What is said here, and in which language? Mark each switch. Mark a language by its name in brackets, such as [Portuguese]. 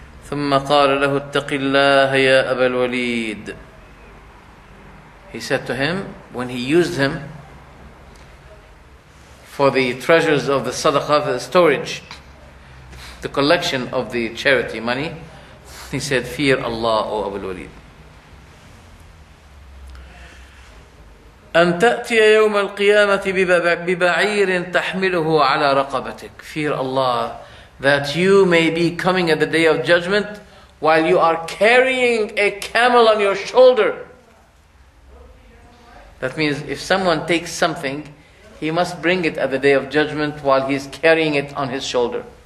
[Arabic] ثم قال له اتق الله يا أبا الوليد. [English] He said to him, when he used him for the treasures of the sadaqah, the storage, the collection of the charity money, he said, fear Allah, O Abu al-Walid. [Arabic] أن تأتي يوم القيامة ببعير تحمله على رقبتك. [English] Fear Allah, that you may be coming at the day of judgment while you are carrying a camel on your shoulder. That means if someone takes something, he must bring it at the day of judgment while he is carrying it on his shoulder.